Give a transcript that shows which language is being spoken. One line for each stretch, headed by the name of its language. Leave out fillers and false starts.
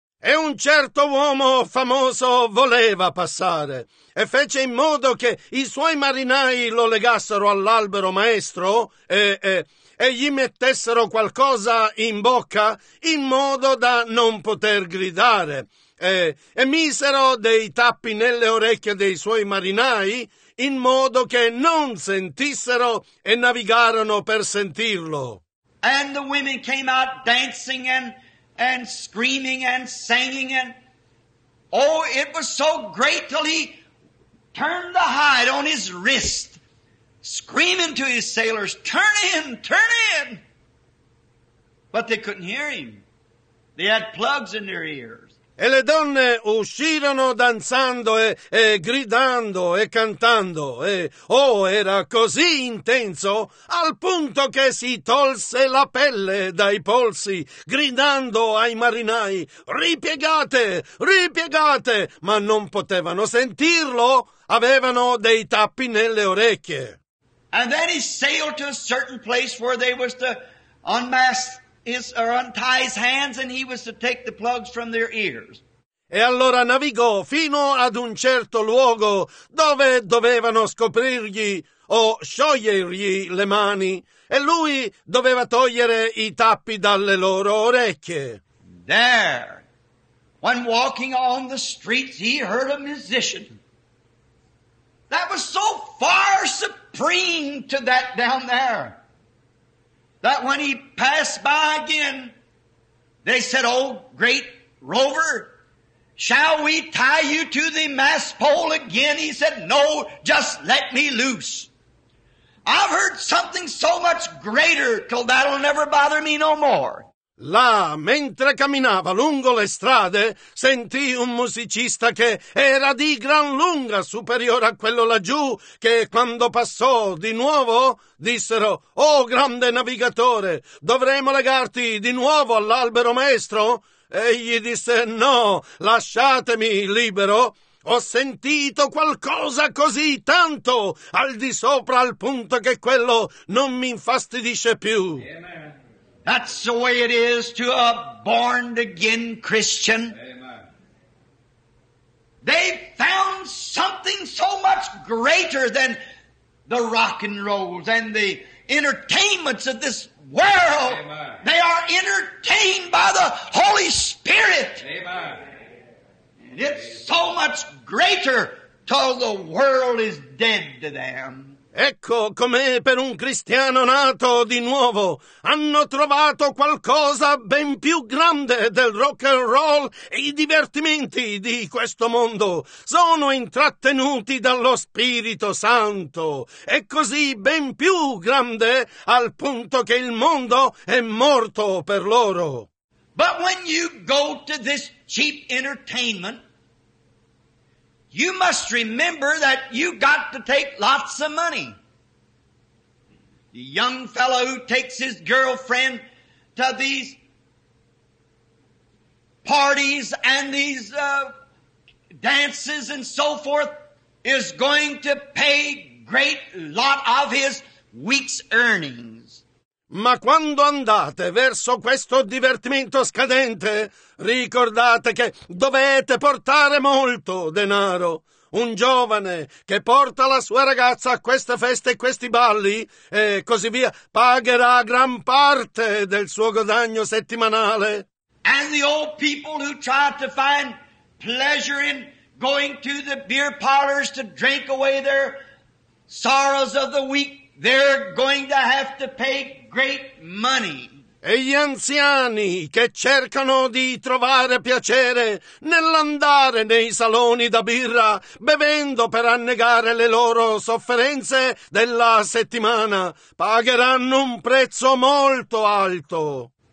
Italian: E un certo uomo famoso voleva passare e fece in modo che i suoi marinai lo legassero all'albero maestro e gli mettessero qualcosa in bocca in modo da non poter gridare. E misero dei tappi nelle orecchie dei suoi marinai in modo che non sentissero e navigarono per sentirlo.
English: And the women came out dancing and screaming and singing and oh, it was so great till he turned the hide on his wrist, screaming to his sailors, "Turn in, turn in!" But they couldn't hear him. They had plugs in their ears.
Italian: E le donne uscirono danzando e gridando e cantando e oh, era così intenso al punto che si tolse la pelle dai polsi gridando ai marinai ripiegate, ripiegate, ma non potevano sentirlo, avevano dei tappi nelle orecchie.
English: And then he sailed to a certain place where they was to unmask his or untie his hands and he was to take the plugs from their ears.
Italian: E allora navigò fino ad un certo luogo dove dovevano scoprirgli o sciogliergli le mani e lui doveva togliere i tappi dalle loro orecchie.
English: There, when walking on the streets, he heard a musician. That was so far supreme to that down there, that when he passed by again, they said, "Oh, great rover, shall we tie you to the mast pole again?" He said, "No, just let me loose. I've heard something so much greater, till that'll never bother me no more."
Italian: Là, mentre camminava lungo le strade, sentì un musicista che era di gran lunga superiore a quello laggiù, che quando passò di nuovo, dissero: "Oh, grande navigatore, dovremo legarti di nuovo all'albero maestro?" Egli disse: "No, lasciatemi libero. Ho sentito qualcosa così tanto al di sopra, al punto che quello non mi infastidisce più."
English: Amen. That's the way it is to a born again Christian. Amen. They found something so much greater than the rock and rolls and the entertainments of this world. Amen. They are entertained by the Holy Spirit. Amen. And it's so much greater till the world is dead to them.
Italian: Ecco com'è per un cristiano nato di nuovo. Hanno trovato qualcosa ben più grande del rock and roll e i divertimenti di questo mondo. Sono intrattenuti dallo Spirito Santo. È così ben più grande al punto che il mondo è morto per loro.
English: But when you go to this cheap entertainment, you must remember that you got to take lots of money. The young fellow who takes his girlfriend to these parties and these dances and so forth is going to pay great lot of his week's earnings.
Italian: Ma quando andate verso questo divertimento scadente, ricordate che dovete portare molto denaro. Un giovane che porta la sua ragazza a queste feste e questi balli e così via pagherà gran parte del suo guadagno settimanale.
English: And the old people who try to find pleasure in going to the beer parlors to drink away their sorrows of the week, they're going to have to pay great money.
Italian: E gli anziani che cercano di trovare piacere nell'andare nei saloni da birra, bevendo per annegare le loro sofferenze della settimana, pagheranno un prezzo molto alto.